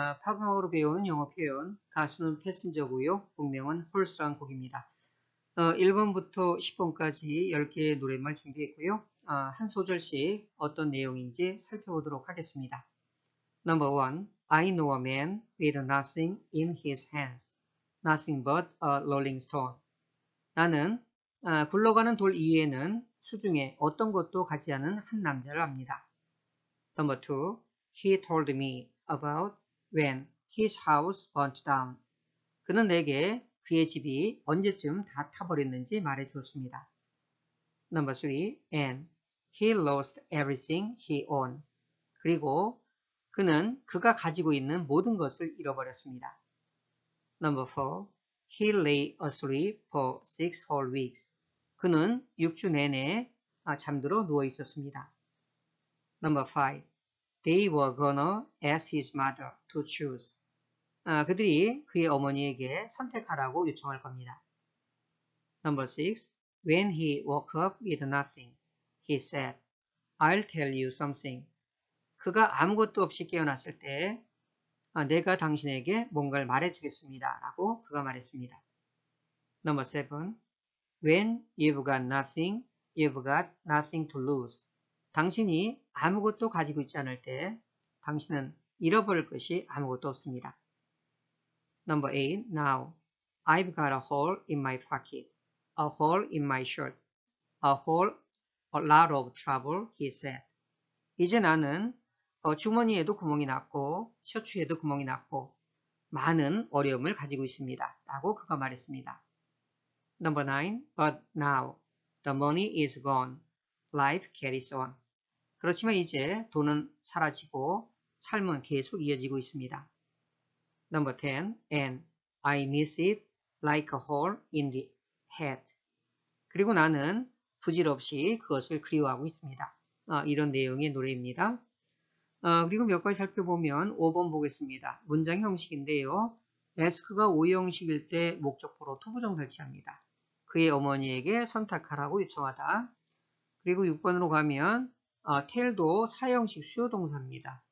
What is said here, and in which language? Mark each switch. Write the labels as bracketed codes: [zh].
[ko] 팝음악으로 배운 영어 표현, 가수는 패신저고요. 본명은 홀스라는 곡입니다. 1번부터 10번까지 10개의 노랫말 준비했고요. 한 소절씩 어떤 내용인지 살펴보도록 하겠습니다. [en] Number 1. I know a man with nothing in his hands. Nothing but a rolling stone. [ko] 나는 굴러가는 돌 이외에는 수중에 어떤 것도 가지 않은 한 남자를 압니다. [en] Number 2. He told me about when his house burnt down. [ko] 그는 내게 그의 집이 언제쯤 다 타버렸는지 말해주었습니다. [en] Number 3. And he lost everything he owned. [ko] 그리고 그는 그가 가지고 있는 모든 것을 잃어버렸습니다. [en] Number 4. He lay asleep for 6 whole weeks. [ko] 그는 6주 내내 잠들어 누워 있었습니다. [en] Number 5. They were gonna ask his mother to choose. [ko] 그들이 그의 어머니에게 선택하라고 요청할 겁니다. [en] Number 6. When he woke up with nothing, he said, I'll tell you something. [ko] 그가 아무것도 없이 깨어났을 때, 내가 당신에게 뭔가를 말해주겠습니다. 라고 그가 말했습니다. [en] Number 7. When you've got nothing, you've got nothing to lose. [ko] 당신이 아무것도 가지고 있지 않을 때 당신은 잃어버릴 것이 아무것도 없습니다. [en] Number 8. Now, I've got a hole in my pocket, a hole in my shirt, a hole, a lot of trouble, he said. [ko] 이제 나는 주머니에도 구멍이 났고, 셔츠에도 구멍이 났고, 많은 어려움을 가지고 있습니다. 라고 그가 말했습니다. [en] Number 9. But now, the money is gone. Life carries on. [ko] 그렇지만 이제 돈은 사라지고 삶은 계속 이어지고 있습니다. [en] Number 10. And I miss it like a hole in the head. [ko] 그리고 나는 부질없이 그것을 그리워하고 있습니다. 이런 내용의 노래입니다. 그리고 몇 가지 살펴보면 5번 보겠습니다. 문장 형식인데요. ask가 오형식일 때 목적보로 투부정 설치합니다. 그의 어머니에게 선택하라고 요청하다. 그리고 6번으로 가면 tell도 사형식 수요 동사입니다.